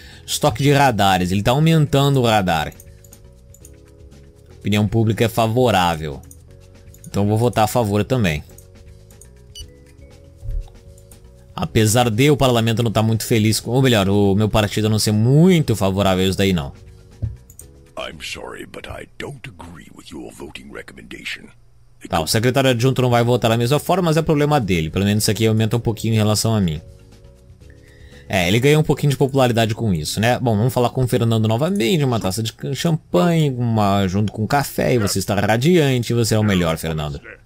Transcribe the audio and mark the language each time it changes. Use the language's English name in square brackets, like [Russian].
[Portuguese] estoque de radares. Ele tá aumentando o radar. Opinião pública é favorável. Então vou votar a favor também. Apesar de o parlamento não estar muito feliz, ou melhor, o meu partido não ser muito favorável a isso daí, não. [English] I'm sorry, but I don't agree with your voting recommendation. [Portuguese] Tá, o secretário adjunto não vai votar da mesma forma, mas é problema dele. Pelo menos isso aqui aumenta um pouquinho em relação a mim. É, ele ganhou um pouquinho de popularidade com isso, né? Bom, vamos falar com o Fernando novamente, uma taça de champanhe, uma junto com café, e você está radiante, você é o melhor, Fernando.